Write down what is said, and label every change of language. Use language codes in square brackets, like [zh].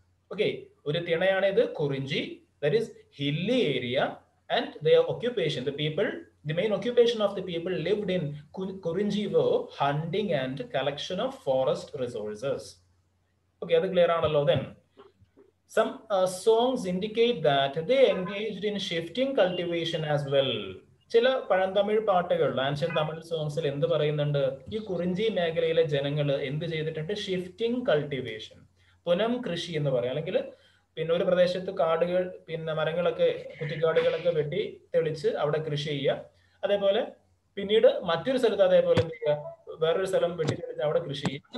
[en] okay, [ml] ഒരു തിണയാണിത് [en] Kurinji, that is hilly area and the occupation the people the main occupation of the people lived in Kurinji were hunting and collection of forest resources. [ml] Okay, അത് clear ആണല്ലോ. [en] Then Some songs indicate that they engaged in shifting cultivation as well. [ml] ചില പഴന്തമിൾ പാട്ടുകൾ [en] ancient Tamil സോങ്സിൽ [ml] എന്ത് പറയുന്നുണ്ട്? ഈ കുറിഞ്ചി മേഖലയിലെ ജനങ്ങൾ എന്ത് ചെയ്തിട്ടുണ്ട്? ഷിഫ്റ്റിംഗ് കൾട്ടിവേഷൻ, പുനം കൃഷി എന്ന് പറയാം. അല്ലെങ്കിൽ പിന്നെ ഒരു പ്രദേശത്ത് കാടുകൾ പിന്നെ മരങ്ങളൊക്കെ കുറ്റിക്കാടുകളൊക്കെ വെട്ടി തെളിച്ച് അവിടെ കൃഷി ചെയ്യുക, അതേപോലെ പിന്നീട് മറ്റൊരു സ്ഥലത്ത് അതേപോലെ എന്ത് ചെയ്യുക, വേറൊരു സ്ഥലം വെട്ടി തെളിച്ച് അവിടെ കൃഷി ചെയ്യുക.